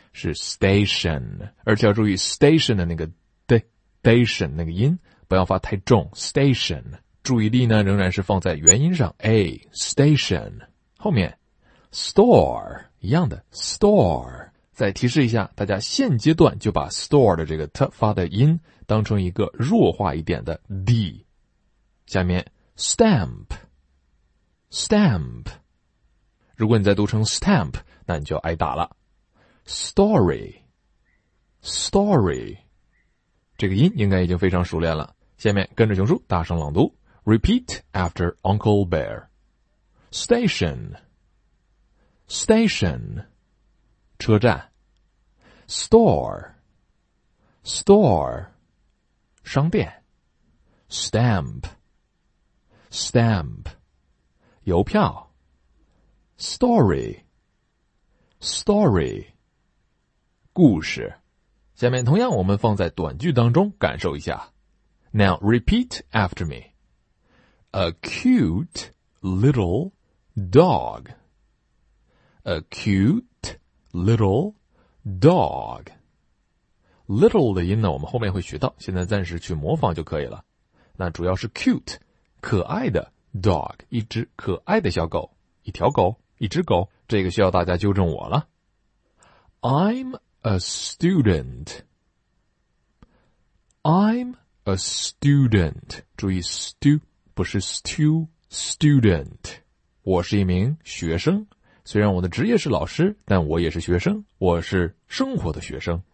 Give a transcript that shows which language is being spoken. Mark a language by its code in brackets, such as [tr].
[zh] 是 station, 而且要注意 station 的那个 station 那个音不要发太重 ,station, 注意力呢仍然是放在元音上 ,a, station, 后面 ,store, 一样的 ,store, 再提示一下大家，现阶段就把 store 的这个 t 发的音当成一个弱化一点的 d, 下面 stamp, stamp,如果你再读成 stamp, 那你就挨打了。 story, story, 这个音应该已经非常熟练了。下面跟着熊叔大声朗读 , [en] repeat after Uncle Bear. station, station, 车站 ,store, store, 商店 ,stamp, stamp, 邮票story, story, 故事。 [zh] 下面同样我们放在短句当中感受一下。 [en] Now repeat after me. A cute little dog. A cute little dog. [zh] Little 的音呢我们后面会学到，现在暂时去模仿就可以了。那主要是 cute, 可爱的 dog, 一只可爱的小狗，一条狗。一只狗，这个需要大家纠正我了。 [en] I'm a student. I'm a student. 注意 stu 不是 stu student. [zh] 我是一名学生，虽然我的职业是老师，但我也是学生，我是生活的学生。